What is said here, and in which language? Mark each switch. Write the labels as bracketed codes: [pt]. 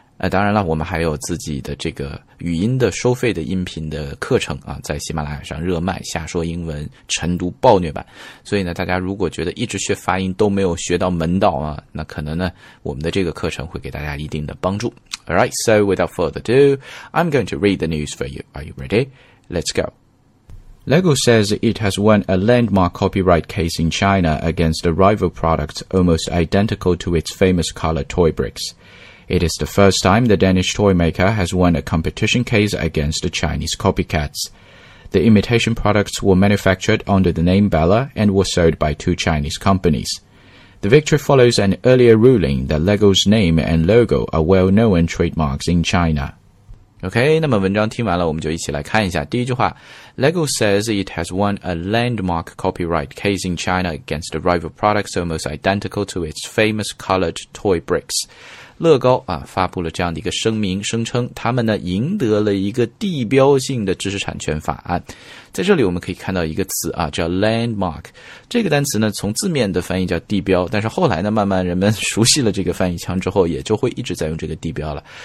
[zh] 当然了，我们还有自己的这个语音的收费的音频的课程啊，在喜马拉雅上热卖下说英文晨读暴虐版。所以呢大家如果觉得一直学发音都没有学到门道啊，那可能呢我们的这个课程会给大家一定的帮助。 [en] Alright, so without further ado, I'm going to read the news for you. Are you ready? Let's go. Lego says it has won a landmark copyright case in China against a rival product almost identical to its famous color toy bricks. It is the first time the Danish toy maker has won a competition case against the Chinese copycats. The imitation products were manufactured under the name Bella and were sold by two Chinese companies. The victory follows an earlier ruling that Lego's name and logo are well-known trademarks in China. [zh] OK, 那么文章听完了，我们就一起来看一下。第一句话， [en] Lego says it has won a landmark copyright case in China against the rival products almost identical to its famous colored toy bricks. [zh] 乐高啊发布了这样的一个声明，声称他们呢赢得了一个地标性的知识产权法案。在这里我们可以看到一个词啊，叫 landmark。这个单词呢从字面的翻译叫地标，但是后来呢慢慢人们熟悉了这个翻译腔之后，也就会一直在用这个地标了。